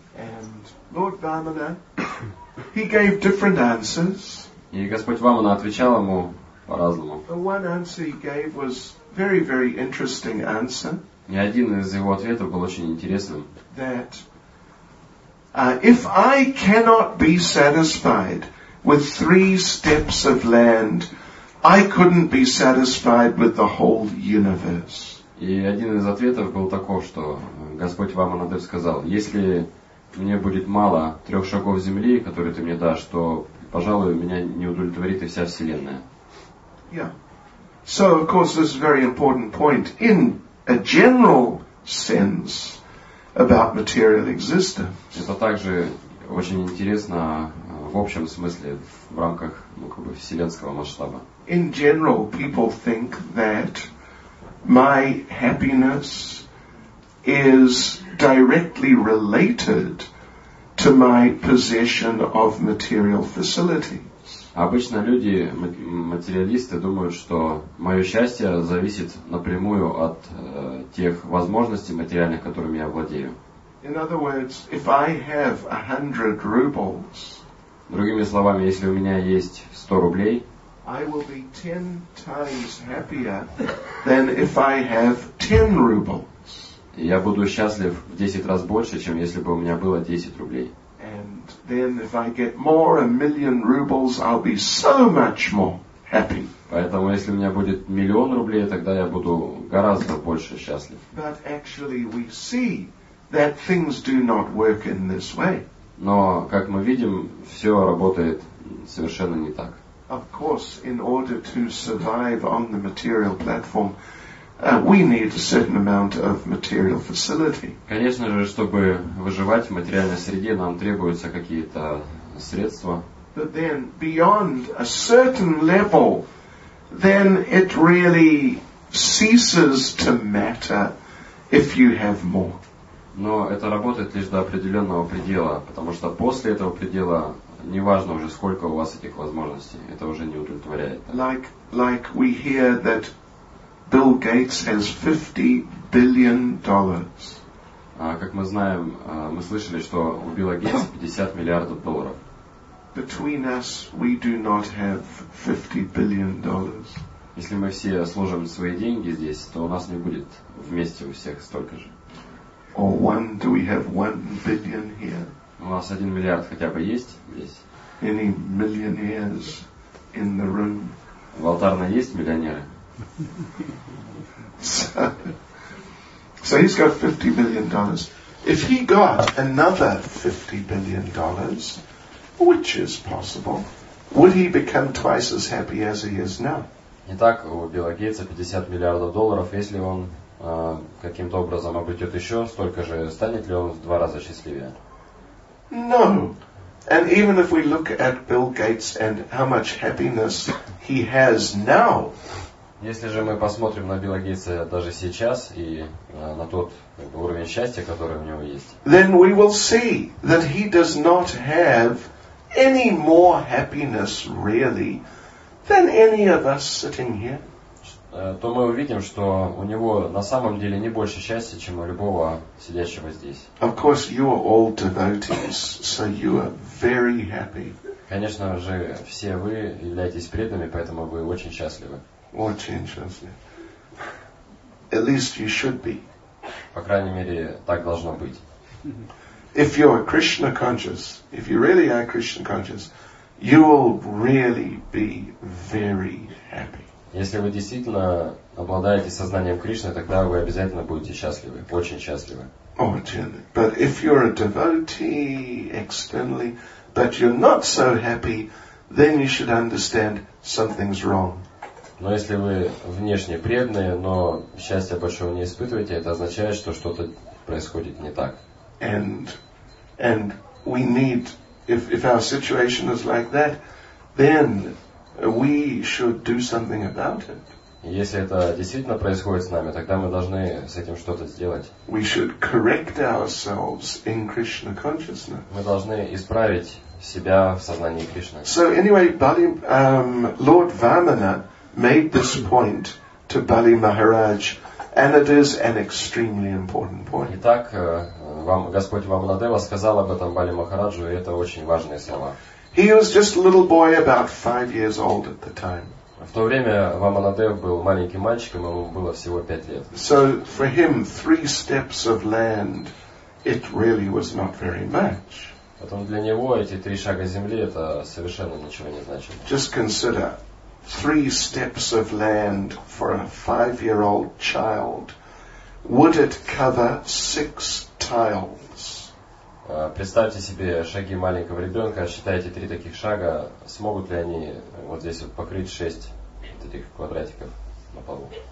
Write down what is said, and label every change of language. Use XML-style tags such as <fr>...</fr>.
<en>And Lord Vamana... He gave different answers.</en> <ru>И Господь Вамана отвечал ему по-разному.</ru> <en>The one answer he gave was very, very interesting answer.</en> <ru>И один из его ответов был очень интересным.</ru> <en>That if I cannot be satisfied with three steps of land, I couldn't be satisfied with the whole universe.</en> <ru>И один из ответов был таков, что Господь Вамана сказал, если мне будет мало трех шагов земли, которые ты мне дашь, то, пожалуй, меня не удовлетворит и вся Вселенная.</ru> <en>Yeah. So, of course, this is a very important point in a general sense about material existence.</en> <ru>Это также очень интересно в общем смысле, в рамках, ну, как бы, вселенского масштаба.</ru> <en>In general, people think that my happiness is directly related to my possession of material facilities.</en> <ru>Обычно люди, материалисты, думают, что мое счастье зависит напрямую от тех возможностей материальных, которыми я владею.</ru> <en>In other words, if I have 100 rubles,</en> <ru>Другими словами, если у меня есть 100 рублей,</ru> <en>I will be 10 times happier than if I have 10 rubles.</en> <ru>Я буду счастлив в 10 раз больше, чем если бы у меня было 10 рублей.</ru> <en>And then if I get more, a million rubles, I'll be so much more happy.</en> <ru>Поэтому если у меня будет 1 000 000 рублей, тогда я буду гораздо больше счастлив.</ru> <en>But actually we see that things do not work in this way.</en> <ru>Но, как мы видим, все работает совершенно не так.</ru> <en>Of course, in order to survive on the material platform, we need a certain amount of material facility.</en> <ru>Конечно же, чтобы выживать в материальной среде, нам требуются какие-то средства.</ru> <en>But then, beyond a certain level, then it really ceases to matter if you have more.</en> <ru>Но это работает лишь до определенного предела, потому что после этого предела неважно уже сколько у вас этих возможностей, это уже не удовлетворяет.</ru> <en>Like we hear that Bill Gates has $50 billion.</en> <ru>Как мы знаем, мы слышали, что у Билла Гейтса 50 миллиардов долларов.</ru> <en>Between us, we do not have $50 billion.</en> <ru>Если мы все сложим свои деньги здесь, то у нас не будет вместе у всех столько же.</ru> <en>Or one? Do we have 1 billion here?</en> <ru>У нас 1 миллиард хотя бы есть здесь.</ru> <en>Any millionaires in the room?</en> <ru>В алтарной есть миллионеры?</ru> <en>So he's got $50 billion. If he got another $50 billion, which is possible, would he become twice as happy as he is now?</en> <ru>Итак, у Билла Гейтса 50 миллиардов долларов, если он каким-то образом обретет еще столько же, станет ли он в два раза счастливее?</ru> <en>No. And even if we look at Bill Gates and how much happiness he has now.</en> <ru>Если же мы посмотрим на Билла Гейтса даже сейчас и на тот уровень счастья, который у него есть.</ru> <en>Then we will see that he does not have any more happiness really than any of us sitting here.</en> <ru>То мы увидим, что у него на самом деле не больше счастья, чем у любого сидящего здесь.</ru> <en>Of course, you are all devotees, so you are very happy.</en> <ru>Конечно же, все вы являетесь преданными, поэтому вы очень счастливы. Очень счастливы.</ru> <en>At least you should be.</en> <ru>По крайней мере, так должно быть.</ru> <en>If you are Krishna conscious, if you really are Krishna conscious, you will really be very happy.</en> <ru>Если вы действительно обладаете сознанием Кришны, тогда вы обязательно будете счастливы, очень счастливы.</ru> <en>But if you're a devotee externally, but you're not so happy, then you should understand something's wrong.</en> <ru>Но если вы внешне преданные, но счастья большого не испытываете, это означает, что что-то происходит не так.</ru> <en>And we need, if our situation is like that, then we should do something about it.</en> <ru>Если это действительно происходит с нами, тогда мы должны с этим что-то сделать.</ru> <en>We should correct ourselves in Krishna consciousness.</en> <ru>Мы должны исправить себя в сознании Кришны.</ru> <en>So anyway, Lord Vamana made this point to Bali Maharaj, and it is an extremely important point.</en> <ru>Итак, вам Господь Вамнадева сказал об этом Бали Махараджу, и это очень важные слова.</ru> <en>He was just a little boy, about 5 years old at the time.</en> <ru>В то время Ваманадев был маленьким мальчиком, ему было всего 5 лет.</ru> <en>So for him, 3 steps of land, it really was not very much.</en> <ru>Потом для него эти 3 шага земли это совершенно ничего не значило.</ru> <en>Just consider, 3 steps of land for a 5-year-old child, would it cover 6 tiles?</en> <ru>Представьте себе шаги маленького ребенка, считайте 3 таких шага, смогут ли они вот здесь вот покрыть 6 вот этих квадратиков на полу?</ru>